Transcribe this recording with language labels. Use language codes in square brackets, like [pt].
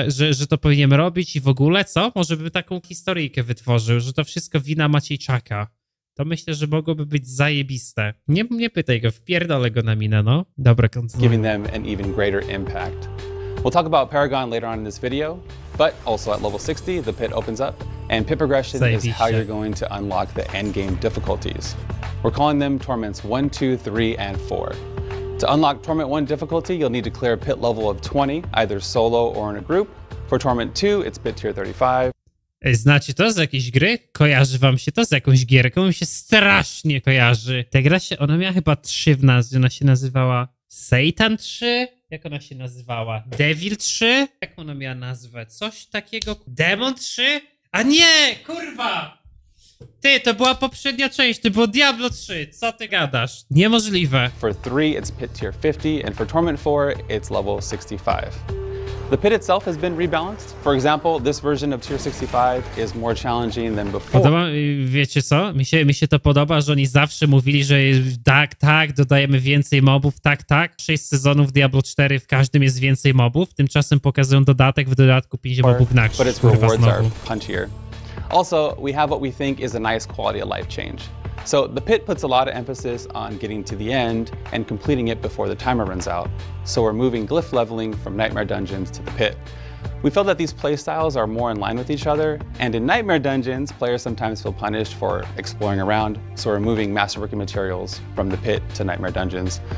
[pl] że to powinienem robić i w ogóle, co? Może bym taką historyjkę wytworzył, że to wszystko wina Maciejczaka. To myślę, że mogłoby być zajebiste. Nie pytaj go, wpierdolę go na minę, no. Dobra, kontynuuj. [en] Giving them an even greater impact. We'll talk about Paragon later on in this video, but also at level 60, the pit opens up, and pit progression is how you're going to unlock the endgame difficulties. We're calling them Torments 1, 2, 3, and 4. To unlock Torment 1 difficulty, you'll need to clear a pit level of 20, either solo or in a group. For Torment 2, it's pit tier 35. [pl] Znacie to z jakiejś gry? Kojarzy wam się to z jakąś gierką? Mi się strasznie kojarzy. Ta gra się, ona miała chyba 3 w nazwie. Ona się nazywała Satan 3? Jak ona się nazywała? Devil 3? Jak ona miała nazwę? Coś takiego? Demon 3? A nie! Kurwa! Ty, to była poprzednia część, to było Diablo 3. Co ty gadasz? Niemożliwe. [en] For 3 it's pit tier 50 and for Torment 4 it's level 65. The pit itself has been rebalanced. For example, this version of tier 65 is more challenging than before. [pl] Podoba, wiecie co? Mi się to podoba, że oni zawsze mówili, że tak, tak, dodajemy więcej mobów, tak, tak. 6 sezonów Diablo 4 w każdym jest więcej mobów. Tymczasem pokazują dodatek, w dodatku 5 mobów na krzyż. Kurwa, znowu. [en] Also, we have what we think is a nice quality of life change. So the pit puts a lot of emphasis on getting to the end and completing it before the timer runs out. So we're moving glyph leveling from Nightmare Dungeons to the pit. We felt that these playstyles are more in line with each other, and in Nightmare Dungeons, players sometimes feel punished for exploring around, so we're moving masterworking materials from the pit to Nightmare Dungeons.